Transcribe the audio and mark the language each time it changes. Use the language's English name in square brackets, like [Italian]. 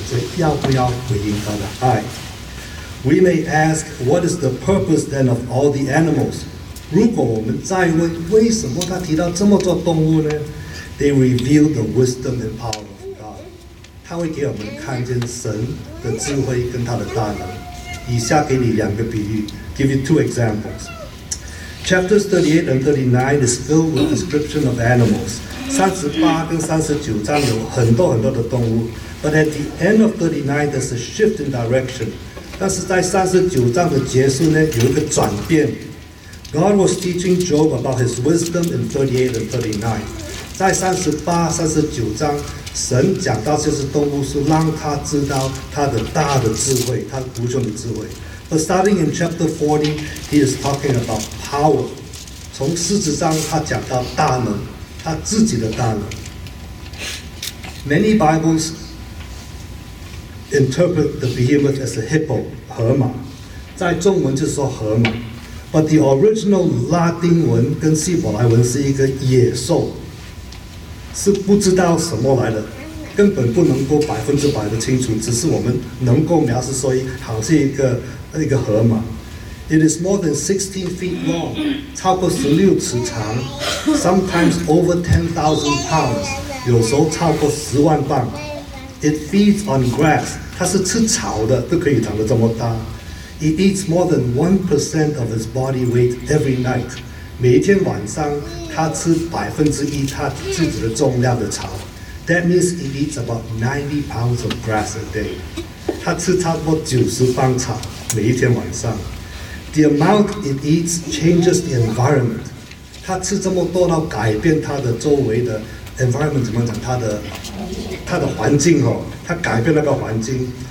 [Chinese] 最主要的是因为神喜悦我们，因为他创造我们，为了爱我们，也为了给我们自由来选择要不要回应他的爱。 [English] We may ask, what is the purpose then of all the animals? [Chinese] 如果我们再问，为什么他提到这么多动物呢？ [English] They reveal the wisdom and power of God. [Chinese] 他会给我们看见神的智慧跟他的大能。以下给你两个比喻， [English] give you two examples. Chapters 38 and 39 is filled with description of animals. [Chinese] 38跟39章有很多很多的动物。 [English] But at the end of 39, there's a shift in direction. [Chinese] 但是在三十九章的结束呢，有一个转变。 [English] God was teaching Job about his wisdom in 38 and 39. [Chinese] 在三十八、三十九章，神讲到这只动物是让他知道他的大的智慧，他无穷的智慧。 [English] But starting in chapter 40, he is talking about power. [Chinese] 从四十章他讲到大能，他自己的大能。 [English] Many Bibles interpret the behemoth as a hippo, 河马， [Chinese] 在中文就是说河马。 [English] But the original Latin [Chinese] 文跟希伯来文是一个野兽，是不知道什么来的，根本不能够百分之百的清楚，只是我们能够描述说好像一个河马。 [English] It is more than 16 feet long, [Chinese] 超过16尺长 [English] ,sometimes over 10,000 pounds, [Chinese] 有时候超过10万磅。 [English] It feeds on grass, [Chinese] 它是吃草的，都可以长得这么大。 [English] It eats more than 1% of its body weight every night. [Chinese] 每一天晚上它吃1%它自己的重量的草。 [English] That means it eats about 90 pounds of grass a day. [Chinese] 它吃差不多90磅草每一天晚上。 [English] The amount it eats changes the environment. [Chinese] 它吃这么多到改变它的周围的 environment, 怎么讲它的环境哦，它改变那个环境。